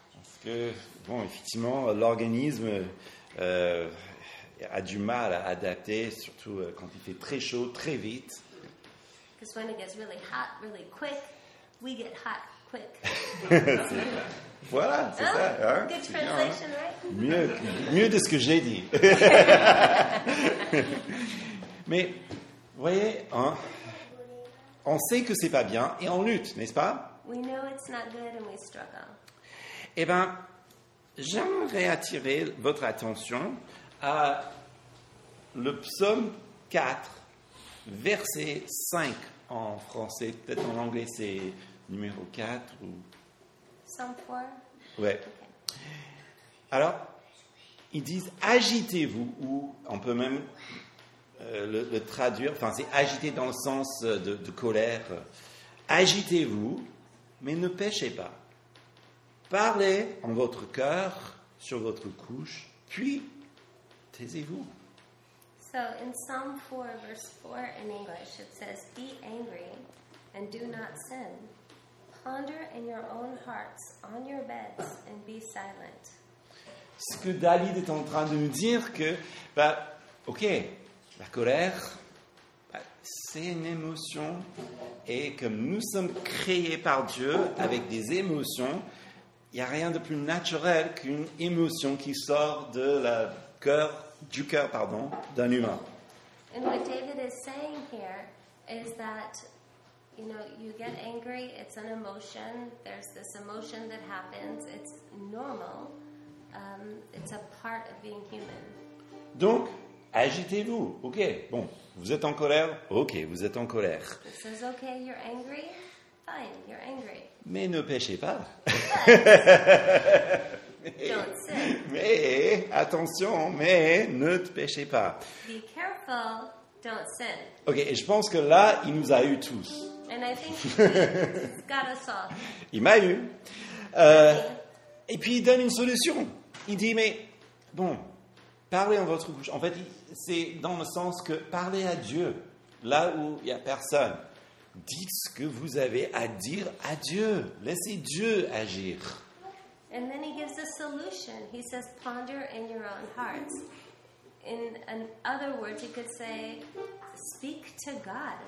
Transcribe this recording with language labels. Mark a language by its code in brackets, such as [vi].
[fr] Parce que bon, effectivement, l'organisme a du mal à adapter, surtout quand il fait très chaud, très vite. [en] Because when it gets really hot, really quick, we get hot quick. [fr] Voilà, c'est ça. Hein? [en] Good [fr] c'est [en] translation, [fr] bien, hein? [en] Right? [fr] Mieux de ce que j'ai dit. Mais, vous voyez, hein, on sait que c'est pas bien et on lutte, n'est-ce pas? [en] We know it's not good and we struggle. [fr] Eh bien, j'aimerais attirer votre attention à le psaume 4, verset 5 en français. Peut-être en anglais, c'est numéro 4 ou... Psaume 4? Ouais. Alors, ils disent « agitez-vous » ou on peut même le traduire. Enfin, c'est « agité » dans le sens de colère. « Agitez-vous, mais ne péchez pas. Parlez en votre cœur, sur votre couche, puis... » Taisez-vous. [en] So in Psalm 4, verse 4 in English, it says, be angry and do not sin. Ponder in your own hearts, on your beds, and be silent. [fr] Ce que David est en train de nous dire, que, bah, ok, la colère, bah, c'est une émotion, et comme nous sommes créés par Dieu avec des émotions, il n'y a rien de plus naturel qu'une émotion qui sort de la cœur. Du cœur, pardon, d'un humain. [en] And what David is saying here is that, you know, you get angry, it's an emotion, there's this emotion that happens, it's normal, it's a part of being human. [fr] Donc, agitez-vous, ok, bon, vous êtes en colère, ok, vous êtes en colère. [en] It says, ok, you're angry, fine, you're angry. [fr] Mais ne péchez pas. [en] Don't sin. [fr] Mais attention, mais ne te péchez pas. [en] Be careful, don't sin. [fr] Ok, et je pense que là, il nous a eu tous. [en] And I think he's got us all. [fr] Il m'a eu. Et puis il donne une solution. Il dit, mais bon, parlez en votre couche. En fait, c'est dans le sens que parlez à Dieu, là où il n'y a personne. Dites ce que vous avez à dire à Dieu. Laissez Dieu agir. [en] And then he gives a solution. He says, ponder in your own hearts. In other words, he could say, speak to God.